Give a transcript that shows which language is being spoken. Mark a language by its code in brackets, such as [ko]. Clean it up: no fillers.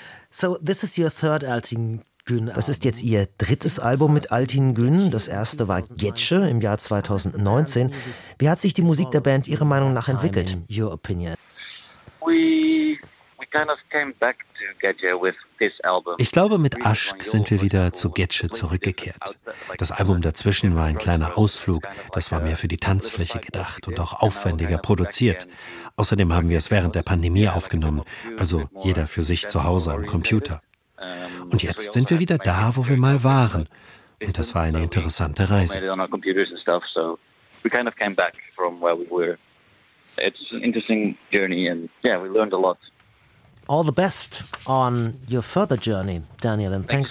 [en] So, this is your third Altin Gün. [de] Das ist jetzt Ihr drittes Album mit Altin Gün. Das erste war Getsche im Jahr 2019. Wie hat sich die Musik der Band Ihrer Meinung nach entwickelt? [en] Your opinion. We kind of came back to Getsche with this album. [de] Ich glaube, mit Asch sind wir wieder zu Getsche zurückgekehrt. Das Album dazwischen war ein kleiner Ausflug. Das war mehr für die Tanzfläche gedacht und auch aufwendiger produziert. Außerdem haben wir es während der Pandemie aufgenommen, also jeder für sich zu Hause am Computer. Und jetzt sind wir wieder da, wo wir mal waren. Und das war eine interessante Reise. [en] We kind of came back from where we were. it's an interesting journey, and yeah, we learned a lot. All the best on your further journey, Daniel, and thanks